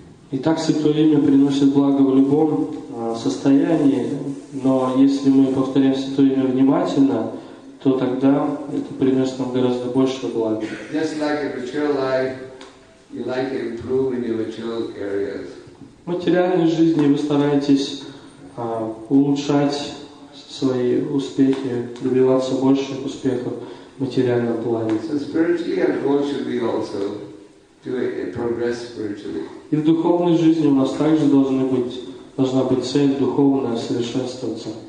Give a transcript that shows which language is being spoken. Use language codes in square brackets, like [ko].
[ru] Итак, святое имя приносит благо в любом состоянии, но если мы повторяем святое имя внимательно, то тогда это принесет нам гораздо больше блага. [en] Just like in material life, you like to improve in your material areas. [ru] В материальной жизни вы стараетесь улучшать свои успехи, добиваться больших успехов в материальном плане. [en] So spiritually, our goal should be also to progress spiritually. [ru] И в духовной жизни у нас также должна быть цель духовная, совершенствоваться.